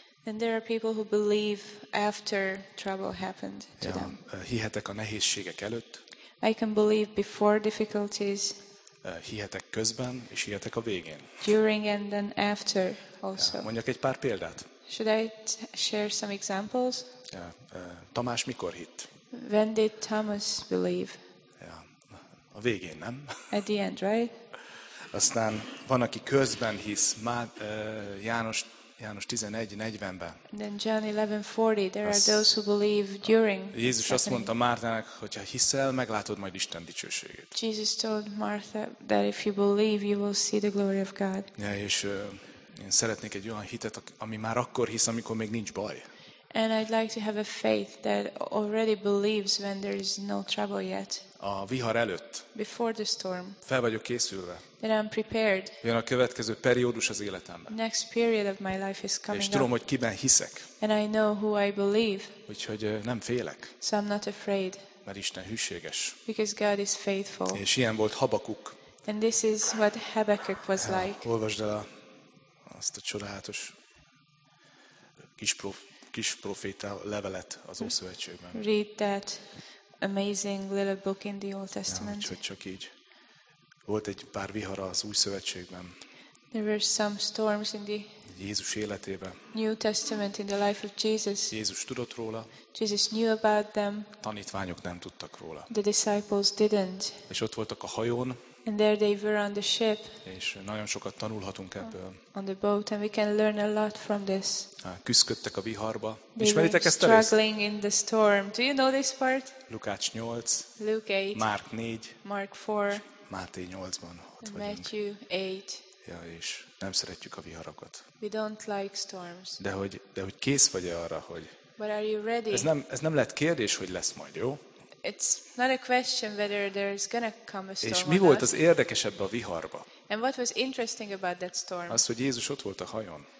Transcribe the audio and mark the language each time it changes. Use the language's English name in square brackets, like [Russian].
[English] And there are people who believe after trouble happened to ja, them. [Hungarian] Hihetek a nehézségek előtt. [English] I can believe before difficulties. [Hungarian] Hihetek közben, és hihetek a végén. [English] During and then after also. Ja, [Hungarian] mondjak egy pár példát. [English] Should I share some examples? [Hungarian] Ja, Tamás mikor hitt? [English] When did Thomas believe? [Hungarian] Ja, a végén, nem? [English] At the end, right? [Hungarian] Aztán van, aki közben hisz, János 11:40-ben. [English] Then John 11:40, there are those who believe during. [Hungarian] Jézus azt mondta Mártának, hogy ha hiszel, meglátod majd Isten dicsőségét. [English] Jesus told Martha that if you believe, you will see the glory of God. [Hungarian] Ja, és én szeretnék egy olyan hitet, ami már akkor hisz, amikor még nincs baj. [English] And I'd like to have a faith that already believes when there is no trouble yet. [Hungarian] A vihar előtt. [English] Before the storm. [Hungarian] Fel vagyok készülve. [English] That I'm prepared. [Hungarian] Jön a következő periódus az életemben. [English] Next period of my life is coming. [Hungarian] És tudom, hogy kiben hiszek. [English] And I know who I believe. [Hungarian] Úgyhogy nem félek. [English] So I'm not afraid. [Hungarian] Mert Isten hűséges. [English] Because God is faithful. [Hungarian] És ilyen volt Habakuk. [English] And this is what Habakkuk was like. [Hungarian] Olvasd el azt a csodálatos kis proféta levelet az Ószövetségben. [English] Read that amazing little book in the Old Testament. [Hungarian] Ja, csak így. Volt egy pár vihara az Újszövetségben. [English] There were some storms in the [Hungarian] Jézus életében. [English] New Testament in the life of Jesus. [Hungarian] Jézus tudott róla. [English] Jesus knew about them. [Hungarian] Tanítványok nem tudtak róla. [English] The disciples didn't. [Hungarian] És ott voltak a hajón. [English] And there they were on the ship. [Hungarian] És nagyon sokat tanulhatunk ebből. [English] On the boat and we can learn a lot from this. [Hungarian] Küszködtek a viharba. [English] They [Hungarian] ismeritek ezt a részt? [English] Struggling in the storm. Do you know this part? [Hungarian] Lukács 8. [English] Luke 8. Mark 4. Mark 4. [Hungarian] Máté 8-ban ott vagyunk. [English] Matthew 8. [Hungarian] Ja, és nem szeretjük a viharokat. [English] We don't like storms. [Hungarian] De hogy kész vagy arra, hogy [English] but are you ready? [Hungarian] Ez nem lett kérdés, hogy lesz majd, jó? [English] It's not a question whether there is going to come a storm. [Hungarian] És mi volt az érdekesebb a viharba? [English] And what was interesting about that storm? [Hungarian] Az, hogy Jézus ott volt a hajón.